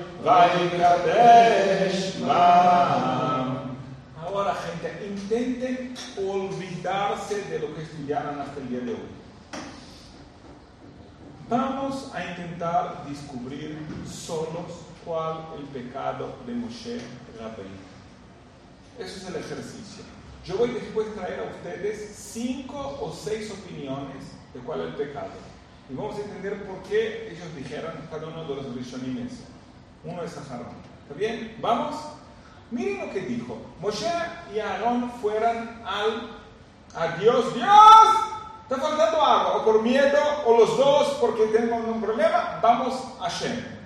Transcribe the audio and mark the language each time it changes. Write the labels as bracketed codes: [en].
[pt] Agora, gente, intentem olvidar-se [es] de lo que [pt] estudiaram até o dia de hoje. Vamos a tentar descobrir solos qual é o pecado de Moshe Rabbeinu. Esse é o exercício. Eu vou depois trazer a vocês 5 ou 6 opiniões de qual é o pecado. [es] Y vamos a entender por qué ellos dijeron cada uno de los Rishonim. Uno es Aharón. ¿Está bien? ¿Vamos? Miren lo que dijo. Moshe y Aarón fueron al... ¡A Dios! ¡Dios! Está faltando agua. O por miedo, o los dos, porque tenemos un problema. Vamos a Hashem.